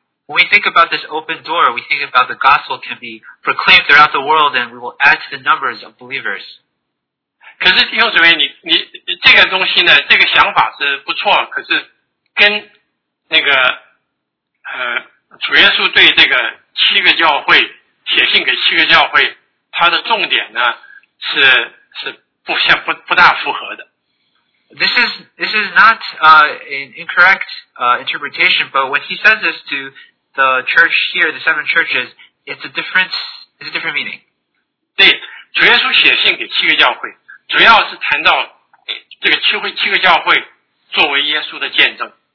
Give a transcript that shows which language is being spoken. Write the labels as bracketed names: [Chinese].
[English] When we think about this open door, we think about the gospel can be proclaimed throughout the world and we will add to the numbers of believers. [Chinese] 可是弟兄姊妹，你这个东西呢，这个想法是不错，可是跟那个主耶稣对这个七个教会写信给七个教会，它的重点呢是不大符合的。 [English] This is not an incorrect interpretation, but when he says this to the church here, the seven churches, it's a different meaning. [Chinese] 对，主耶稣写信给七个教会，主要是谈到这个七个教会作为耶稣的见证。